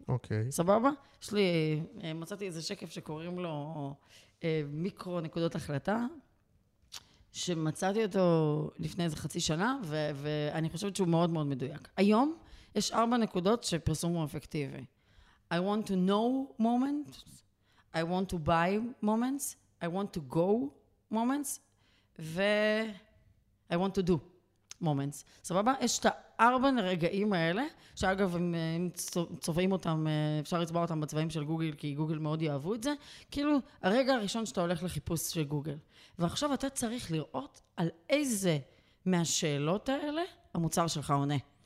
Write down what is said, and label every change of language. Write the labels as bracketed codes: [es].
[he] אוקיי. סבבה? יש לי, מצאתי איזה שקף שקוראים לו מיקרו נקודות החלטה, שמצאתי אותו לפני איזה חצי שנה, ואני חושבת שהוא מאוד מאוד מדויק. היום יש 4 נקודות שפרסום הוא אפקטיבי. [en] I want to know moment, I want to buy moments, I want to go moments, ו-I want to do moments. [he] סבבה? יש את 4 הרגעים האלה, שאגב, אם צובעים אותם, אפשר לצבע אותם בצבעים של גוגל, כי גוגל מאוד יאהבו את זה, כאילו הרגע הראשון שאתה הולך לחיפוש של גוגל. ועכשיו אתה צריך לראות על איזה מהשאלות האלה המוצר שלך עונה.